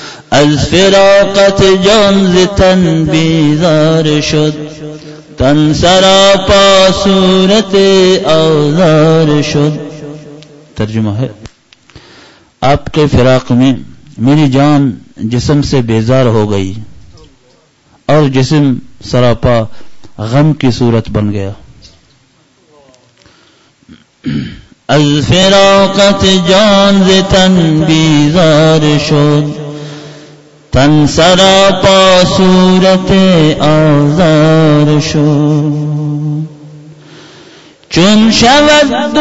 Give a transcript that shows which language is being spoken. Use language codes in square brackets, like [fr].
[fa] از فراقت جان ز تن بیزار شد، تن سراپا صورت آزار شد. [ur] ترجمہ ہے، آپ کے فراق میں میری جان جسم سے بیزار ہو گئی اور جسم سراپا غم کی صورت بن گیا. [fa] از فراقت جان ز تن بیزار شد، تن سراپا صورت آزار شد.